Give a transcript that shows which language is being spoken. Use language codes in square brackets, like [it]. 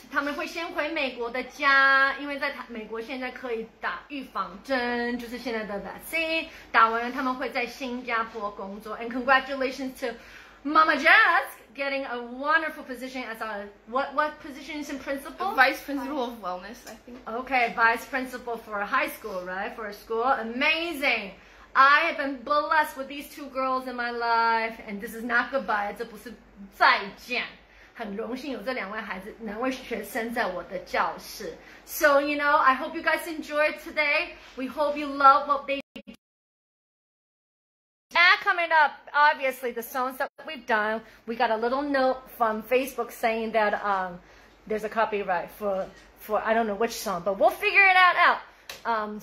[zh] 他们会先回美国的家, 因为在美国现在可以打预防针, 就是现在的vaccine, 打完了他们会在新加坡工作. [en] And congratulations to Mama Jess getting a wonderful position as a, what position is in principal? Vice principal of wellness, I think. Okay, vice principal for a high school, right? For a school, amazing. I have been blessed with these two girls in my life, and this is not goodbye, [zh] 这不是再见. 很荣幸有这两位孩子,两位学生在我的教室. [en] So, you know, I hope you guys enjoyed today. We hope you love what they did. And coming up, obviously, the songs that we've done, we got a little note from Facebook saying that there's a copyright for I don't know which song, but we'll figure it out.